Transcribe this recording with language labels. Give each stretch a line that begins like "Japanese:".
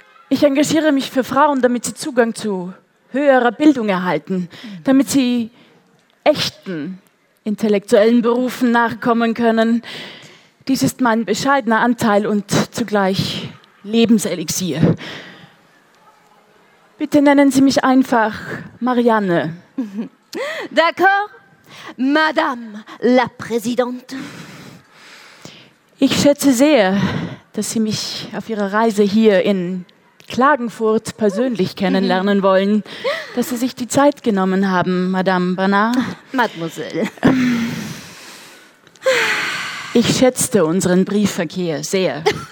German: Ich engagiere mich für Frauen, damit sie Zugang zu höherer Bildung erhalten, damit sie echten intellektuellen Berufen nachkommen können. Dies ist mein bescheidener Anteil und zugleich Lebenselixier. Bitte nennen Sie mich einfach Marianne.
French: D'accord, Madame la Présidente.
German: Ich schätze sehr, dass Sie mich auf Ihrer Reise hier in Klagenfurt persönlich kennenlernen wollen, dass Sie sich die Zeit genommen haben, Madame Bernard.
French: Mademoiselle.
German: Ich schätzte unseren Briefverkehr sehr.